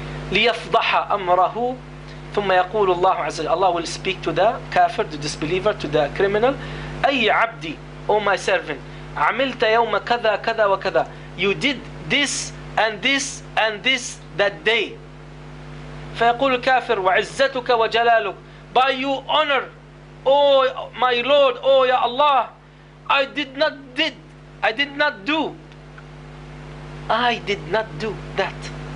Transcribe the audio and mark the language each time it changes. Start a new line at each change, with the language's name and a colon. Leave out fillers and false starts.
Arabic: ليفضح أمره ثم يقول الله عز وجل.
English: Allah will speak to the kafir, the disbeliever, to the criminal.
Arabic: أي عبدي,
English: oh my servant,
Arabic: عملت يوم كذا كذا وكذا.
English: You did this and this and this that day.
Arabic: فيقول الكافر وعزتك وجلالك.
English: By you honor, oh my Lord, oh يا الله, I did not do that.